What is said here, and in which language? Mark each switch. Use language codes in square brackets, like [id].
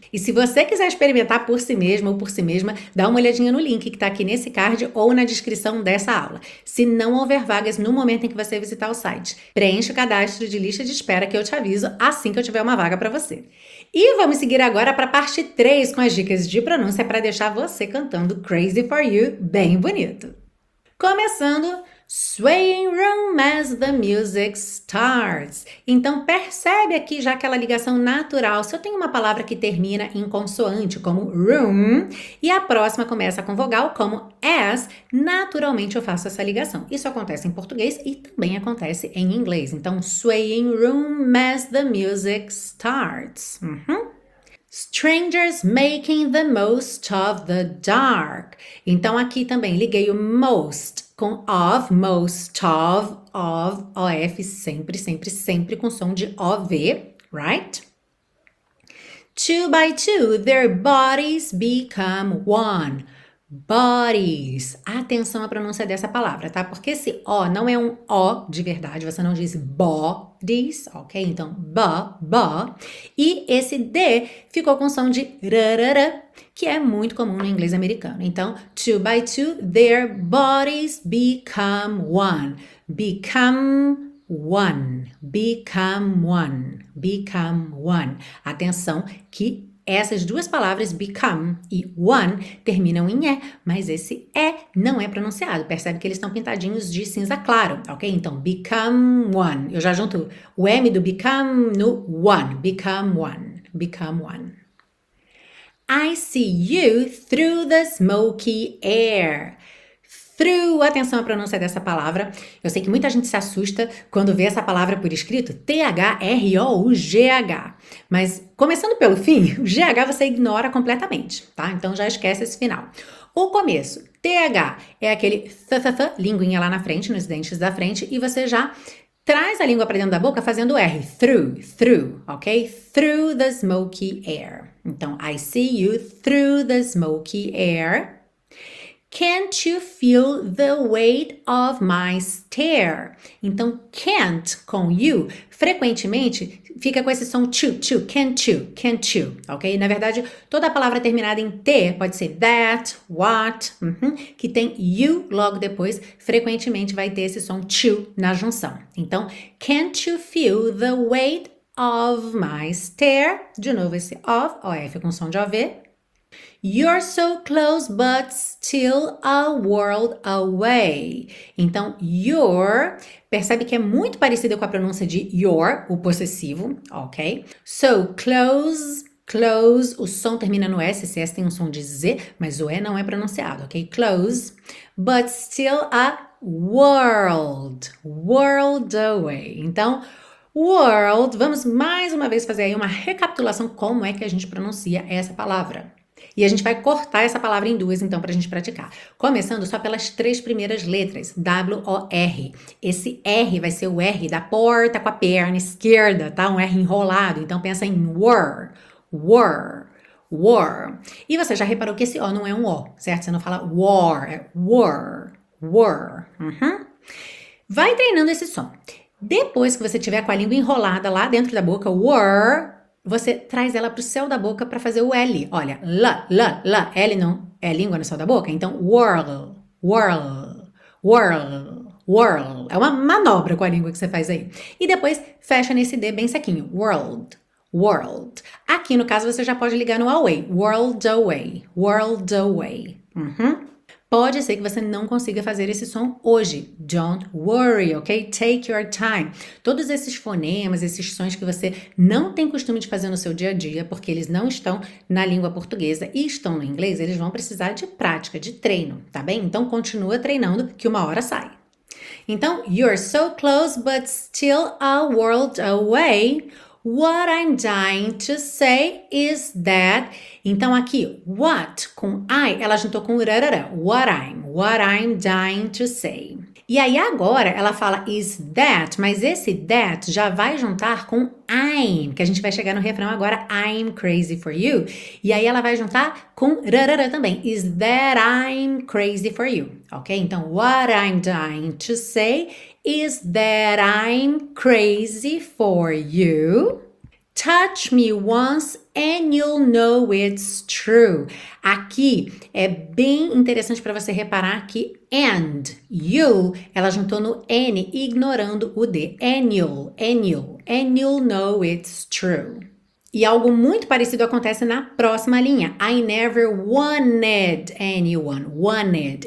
[pt] E se você quiser experimentar por si mesmo ou por si mesma, dá uma olhadinha no link que está aqui nesse card ou na descrição dessa aula. Se não houver vagas no momento em que você visitar o site, preencha o cadastro de lista de espera que eu te aviso assim que eu tiver uma vaga para você. E vamos seguir agora para a parte 3 com as dicas de pronúncia para deixar você cantando Crazy for You bem bonito. [en] Começando, Swaying Room as the Music Starts. [pt] Então percebe aqui já aquela ligação natural. Se eu tenho uma palavra que termina em consoante, como room, e a próxima começa com vogal, como as, naturalmente eu faço essa ligação. Isso acontece em português e também acontece em inglês. [en] Então, Swaying Room as the Music Starts. Strangers making the most of the dark. [pt] Então aqui também liguei o most com of, most of, of, sempre, sempre, sempre com som de ov, right? [en] Two by two, their bodies become one. Bodies. [pt] Atenção à pronúncia dessa palavra, tá? Porque esse O não é um O de verdade, você não diz bodies, ok? Então, b. E esse D ficou com som de rarara, que é muito comum no inglês americano. [en] Então, two by two, their bodies become one. Become one. Become one. Become one. [pt] Atenção que essas duas palavras, become e one, terminam em E, mas esse E não é pronunciado. Percebe que eles estão pintadinhos de cinza claro, ok? Então, become one. Eu já junto o M do become no one. [en] Become one. Become one. I see you through the smoky air. [pt] Through, atenção à pronúncia dessa palavra. Eu sei que muita gente se assusta quando vê essa palavra por escrito, THROUGH. Mas começando pelo fim, o GH você ignora completamente, tá? Então já esquece esse final. O começo, TH é aquele th, linguinha lá na frente, nos dentes da frente, e você já traz a língua para dentro da boca fazendo R. [en] Through, through, ok? Through the smoky air. Então, I see you through the smoky air. Can't you feel the weight of my stare? [pt] Então, can't com you, frequentemente, fica com esse som to, to, can't you, ok? Na verdade, toda palavra terminada em T, pode ser that, what, que tem you logo depois, frequentemente vai ter esse som to na junção. [en] Então, can't you feel the weight of my stare? [pt] De novo esse of, OF com som de OV. [en] You're so close, but still a world away. [pt] Então, you're, percebe que é muito parecida com a pronúncia de your, o possessivo, ok? So, close, close, o som termina no S, esse S tem um som de Z, mas o E não é pronunciado, ok? [en] Close, but still a world, world away. [pt] Então, world, vamos mais uma vez fazer aí uma recapitulação como é que a gente pronuncia essa palavra. E a gente vai cortar essa palavra em duas, então, para a gente praticar. Começando só pelas três primeiras letras, W-O-R. Esse R vai ser o R da porta com a perna esquerda, tá? Um R enrolado. Então, pensa em were, were, were. E você já reparou que esse O não é um O, certo? Você não fala war, é were, were. Uhum. Vai treinando esse som. Depois que você tiver com a língua enrolada lá dentro da boca, were, você traz ela pro céu da boca para fazer o L. Olha, l, l, l. L não é língua no céu da boca? Então, whirl, whirl, whirl, whirl. É uma manobra com a língua que você faz aí. E depois, fecha nesse D bem sequinho. World, world. Aqui, no caso, você já pode ligar no away. [en] World away, world away. Uhum. [pt] Pode ser que você não consiga fazer esse som hoje. [en] Don't worry, ok? Take your time. [pt] Todos esses fonemas, esses sons que você não tem costume de fazer no seu dia a dia, porque eles não estão na língua portuguesa e estão no inglês, eles vão precisar de prática, de treino, tá bem? Então, continua treinando que uma hora sai. [en] Então, you're so close, but still a world away. What I'm dying to say is that... [pt] Então, aqui, what com I, ela juntou com rarara. [en] What I'm dying to say. [pt] E aí, agora, ela fala is that, mas esse that já vai juntar com I'm, que a gente vai chegar no refrão agora, [en] I'm crazy for you. [pt] E aí, ela vai juntar com rarara também. [en] Is that I'm crazy for you, ok? Então, what I'm dying to say is that I'm crazy for you. Touch me once and you'll know it's true. [pt] Aqui é bem interessante para você reparar que and, you, ela juntou no N, ignorando o D. [en] And you'll know it's true. [pt] E algo muito parecido acontece na próxima linha. [en] I never wanted anyone. [pt] Wanted.